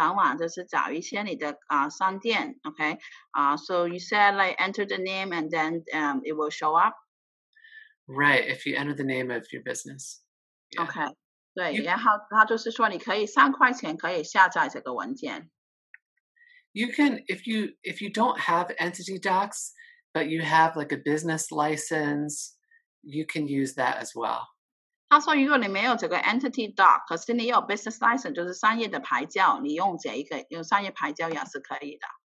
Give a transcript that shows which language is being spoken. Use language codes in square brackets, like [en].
[zh] 他就是说你可以在上网就是找一些你的商店, okay? [en] So you said like enter the name and then it will show up. Right, if you enter the name of your business. Yeah. [zh] Okay, 对，然后他就是说你可以三块钱可以下载这个文件。 [en] You can, if you don't have entity docs, but you have like a business license, you can use that as well. [zh] 他说如果你没有这个entity doc,可是你有business license,就是商业的牌照,你用这一个,用商业牌照也是可以的。